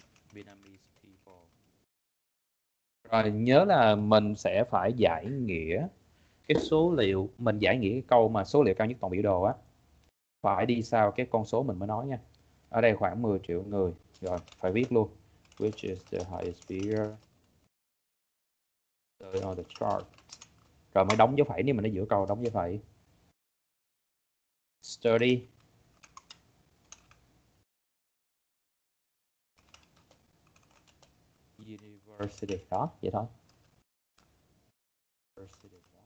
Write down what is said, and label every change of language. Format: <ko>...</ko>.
<en>Vietnamese people.</en> <vi>Rồi nhớ là mình sẽ phải giải nghĩa cái số liệu, mình giải nghĩa cái câu mà số liệu cao nhất toàn biểu đồ á phải đi sau cái con số mình mới nói nha. Ở đây khoảng 10 triệu người. Rồi, phải viết luôn.</vi> <en>Which is the highest figure on the chart.</en> <vi>Rồi mới đóng dấu phẩy, nếu mình ở giữa câu đóng dấu phẩy.</vi> <en>Study.</en> <vi>University. Đó, vậy thôi.</vi> <en>University.</en>